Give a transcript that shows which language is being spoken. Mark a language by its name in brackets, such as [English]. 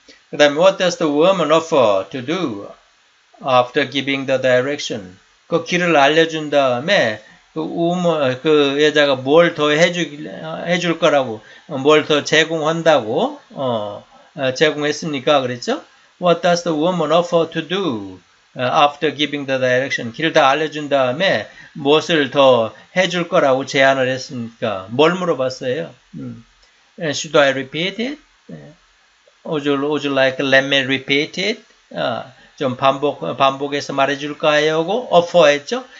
[Korean] 그 다음에 [English] what does the woman offer to do after giving the direction? [Korean] 그 길을 알려준 다음에 그 여자가 뭘 더 해줄 거라고 뭘 더 제공한다고 제공했습니까? 그랬죠? [English] What does the woman offer to do after giving the direction? [Korean] 길을 다 알려준 다음에 무엇을 더 해줄 거라고 제안을 했습니까? 뭘 물어봤어요? [English] Should I repeat it? Would you like let me repeat it? [Korean] 좀 반복해서 말해줄까요? 하고 offer했죠?